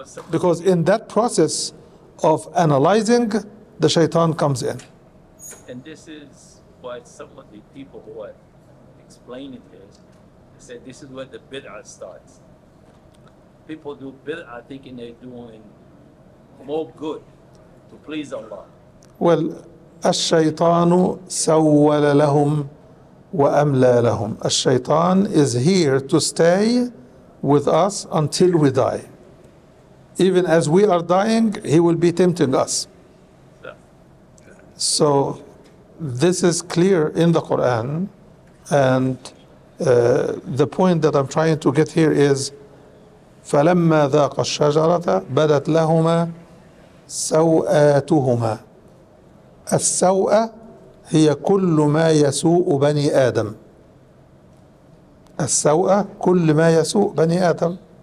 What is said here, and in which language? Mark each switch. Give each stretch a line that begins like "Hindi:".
English: Because in that process of analyzing, the shaitan comes in. So And this is why some of the people who are explaining this, they said this is where the bid'ah starts. People do bid'ah thinking they're doing more good to please Allah.
Arabic: Well, الشَّيْطَانُ سَوَّلَ لَهُمْ وَأَمْلَى لَهُمْ.
English: الشَّيْطَان is here to stay with us until we die. Even as we are dying, he will be tempting us. So this is clear in the Quran, and the point that I'm trying to get here is
Arabic: فَلَمَّا ذَاقَ الشَّجَرَةَ بَدَتْ لَهُمَا سَوْآتُهُمَا. السوءة هي كل ما يسوء بني آدم. السوءة كل ما يسوء بني آدم.